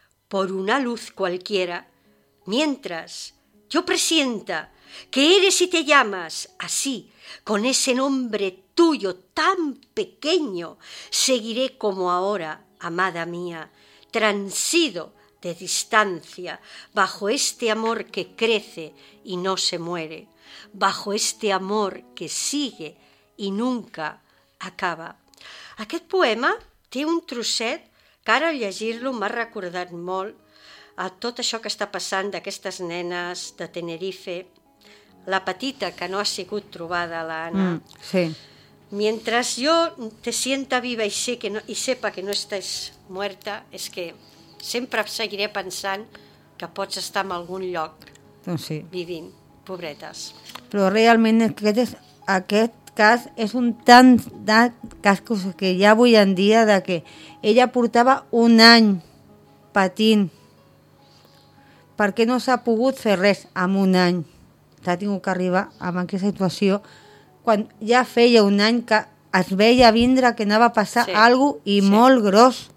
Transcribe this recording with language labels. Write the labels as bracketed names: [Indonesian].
[Spanish] por una luz cualquiera, mientras yo presienta que eres y te llamas así, con ese nombre tuyo tan pequeño, seguiré como ahora, amada mía, transido de distancia, bajo este amor que crece y no se muere, bajo este amor que sigue y nunca acaba. [Catalan] Aquest poema té un trosset que ara al llegir-lo m'ha recordat molt a tot això que està passant d'aquestes nenes de Tenerife, la petita que no ha sigut trobada, l'Anna. Sí. [Spanish] Mientras yo te sienta viva y sé que no, y sepa que no estás muerta, es que [Catalan] sempre seguiré pensant que pots estar en algun lloc vivint. Pobretes. Però realment aquest cas és un tant de cascos que ja avui en dia de que ella portava un any patint perquè no s'ha pogut fer res en un any. S'ha tingut que arribar en aquesta situació quan ja feia un any que es veia vindre que anava a passar alguna cosa i molt gros.